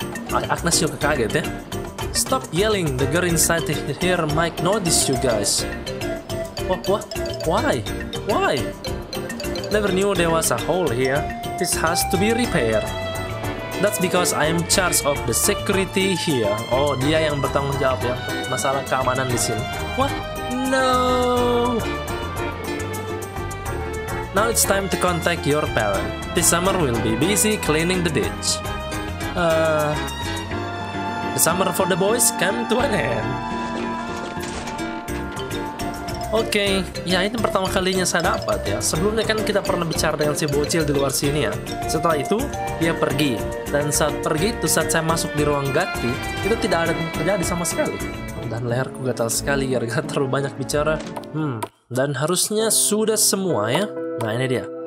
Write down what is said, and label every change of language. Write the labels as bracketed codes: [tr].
[id] Agnes juga kaget ya. [en] Stop yelling, the girl inside here might notice you guys. What? Why? Never knew there was a hole here. This has to be repaired. That's because I am charge of the security here. [id] Oh, dia yang bertanggung jawab ya masalah keamanan di sini. [en] What? No. Now it's time to contact your parent. This summer will be busy cleaning the beach. The summer for the boys come to an end. [id] Okay, ya ini pertama kalinya saya dapat ya. Sebelumnya kan kita pernah bicara dengan si bocil di luar sini ya. Setelah itu dia pergi. Dan saat pergi itu, saat saya masuk di ruang ganti, itu tidak ada yang terjadi sama sekali. Dan leherku gatal sekali gara-gara terlalu banyak bicara. Dan harusnya sudah semua ya. Nah ini dia.